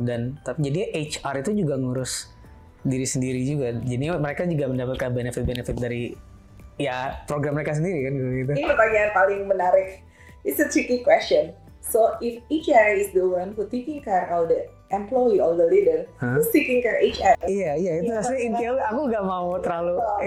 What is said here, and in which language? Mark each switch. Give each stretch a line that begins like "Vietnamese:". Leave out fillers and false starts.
Indonesian: Dan tapi jadi HR itu juga ngurus diri sendiri juga. Jadi mereka juga mendapatkan benefit-benefit dari ya program mereka sendiri kan gitu. Ini pertanyaan paling menarik.
English: It's a tricky question. So if HR is the one who taking care of the employee or the leader, who's taking care of HR?
Indonesian: Iya, itu asli intinya aku gak mau terlalu